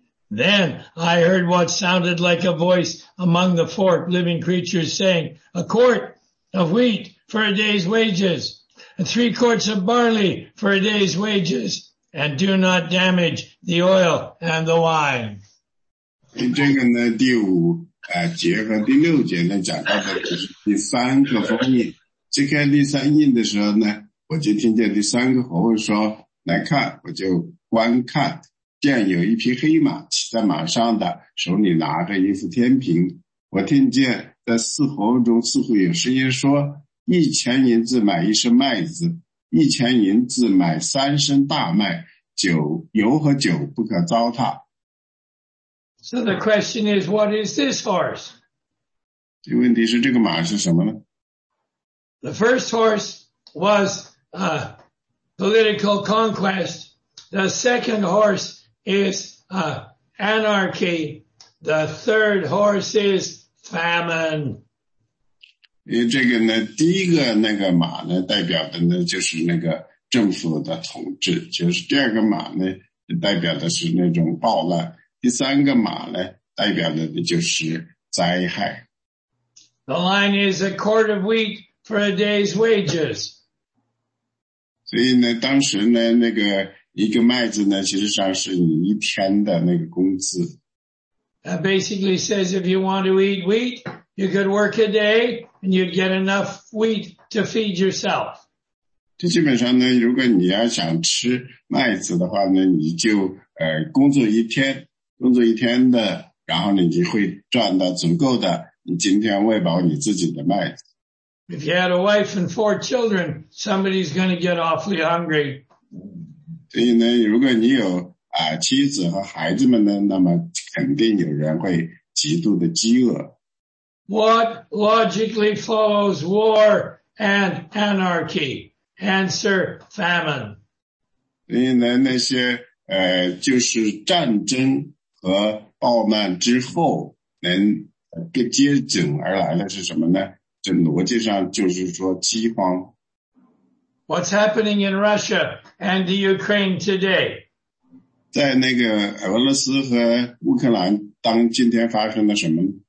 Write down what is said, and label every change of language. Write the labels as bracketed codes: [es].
[en] Then I heard what sounded like a voice among the four living creatures saying, a quart of wheat for a day's wages, and three quarts of barley for a day's wages, and do not damage the oil and the wine. [zh] 这个呢第五节和第六节呢讲到的就是第三个封印。揭开第三印的时候呢，我就听见第三个喉说，来看，我就观看，见有一匹黑马骑在马上的，手里拿着一副天平。我听见在四喉中似乎有声音说，一钱银子买一升麦子，一钱银子买三升大麦，酒油和酒不可糟蹋。 [en] So the question is, what is this horse? [zh] 这问题是这个马是什么呢？ [en] The first horse was a political conquest. The second horse is anarchy. The third horse is famine. [zh] 因为这个呢，第一个那个马呢，代表的呢就是那个政府的统治，就是第二个马呢，代表的是那种暴乱。第三个马呢代表的就是灾害。 [en] The line is a quart of wheat for a day's wages. [zh] 所以呢当时呢那个一个麦子呢其实上是你一天的那个工资。 [en] That basically says if you want to eat wheat, you could work a day and you'd get enough wheat to feed yourself. [zh] 这基本上呢如果你要想吃麦子的话呢你就工作一天。工作一天的，然后你就会赚到足够的，你今天喂饱你自己的麦子。 [en] If you had a wife and four children, somebody's going to get awfully hungry. [zh] 所以呢，如果你有妻子和孩子们呢，那么肯定有人会极度的饥饿。 [en] What logically follows war and anarchy? Answer: famine. [zh] 所以呢，那些就是战争。和暴乱之后能接踵而来的是什么呢？这逻辑上就是说饥荒。 [en] What's happening in Russia and the Ukraine today? [zh] 在那个俄罗斯和乌克兰当今天发生了什么呢？